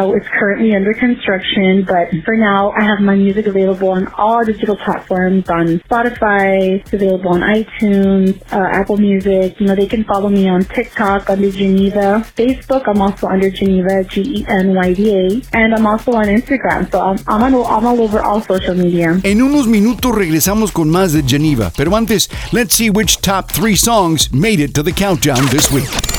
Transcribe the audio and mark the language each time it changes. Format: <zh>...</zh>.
<en>It's currently under construction, but for now, I have my music available on all digital platforms, on Spotify, it's available on iTunes, Apple Music. You know, they can follow me on TikTok under Geneva. Facebook, I'm also under Geneva, G-E-N-Y-V-A. And I'm also on Instagram, so I'm all over all social media.</en> <es>En unos minutos regresamos con más de Geneva. Pero antes,</es> <en>let's see which top three songs made it to the countdown this week.</en>